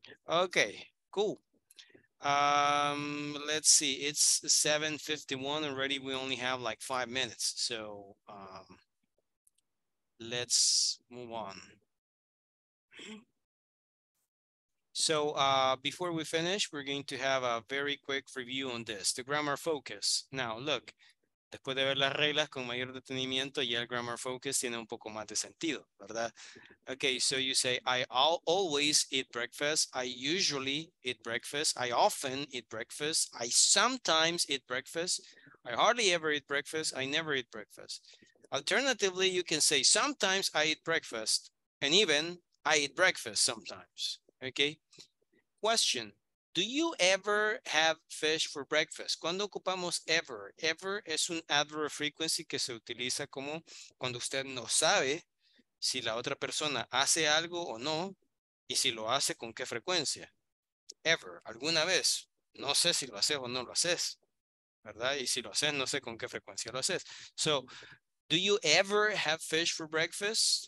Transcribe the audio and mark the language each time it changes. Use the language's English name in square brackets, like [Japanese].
[English] Okay, cool. Let's see, it's 7:51 already. We only have like 5 minutes, so let's move on. So before we finish, we're going to have a very quick review on this, the grammar focus. Now look, [Spanish] después de ver las reglas con mayor detenimiento, ya el grammar focus tiene un poco más de sentido, ¿verdad? [English] Okay, so you say, I always eat breakfast, I usually eat breakfast, I often eat breakfast, I sometimes eat breakfast, I hardly ever eat breakfast, I never eat breakfast. Alternatively, you can say, sometimes I eat breakfast, and even, I eat breakfast sometimes, okay? Question, Do you ever have fish for breakfast? [Spanish] Cuando ocupamos ever, ever es un adverb of frequency que se utiliza como cuando usted no sabe si la otra persona hace algo o no y si lo hace con qué frecuencia. Ever, alguna vez, no sé si lo haces o no lo haces, ¿verdad? Y si lo haces, no sé con qué frecuencia lo haces. [English] So, do you ever have fish for breakfast?